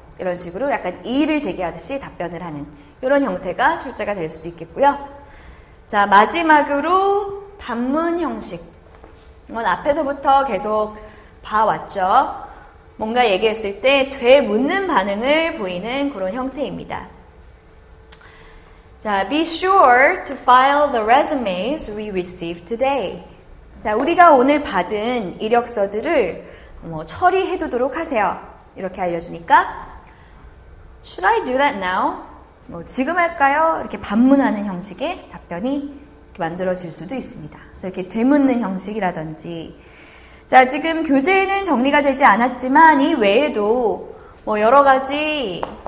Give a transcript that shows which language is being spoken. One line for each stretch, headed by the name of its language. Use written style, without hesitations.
Korean: 이런 식으로 약간 이의를 제기하듯이 답변을 하는 이런 형태가 출제가 될 수도 있겠고요. 자, 마지막으로 반문 형식. 이건 앞에서부터 계속 봐왔죠. 뭔가 얘기했을 때 되묻는 반응을 보이는 그런 형태입니다.
English: 자, be sure to file the resumes we received today.
Korean: 자, 우리가 오늘 받은 이력서들을 처리해두도록 하세요. 이렇게 알려주니까
English: should I do that now?
Korean: 지금 할까요? 이렇게 반문하는 형식의 답변이 만들어질 수도 있습니다. 그래서 이렇게 되묻는 형식이라든지 자, 지금 교재는 정리가 되지 않았지만 이 외에도 여러 가지